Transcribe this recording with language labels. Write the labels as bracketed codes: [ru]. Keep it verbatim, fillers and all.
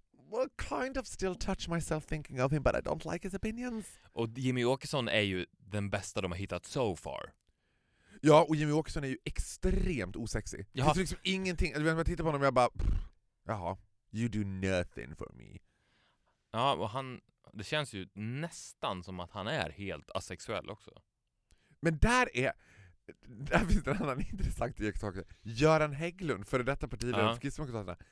[en] Well, kind of still touch myself thinking of him, but I don't like his opinions. [sv] Och Jimmy Åkesson är ju den bästa de har hittat so far. Ja, och Jimmy Åkesson är ju extremt osexig. Det finns liksom ingenting... Eller när jag tittar på honom och jag bara... [en] Jaha, you do nothing for me. [sv] Ja, och han... Det känns ju nästan som att han är helt asexuell också. Men där är... Där finns det en annan intressant iakttagelse. Göran Hägglund, före detta partiledare för Kristdemokraterna.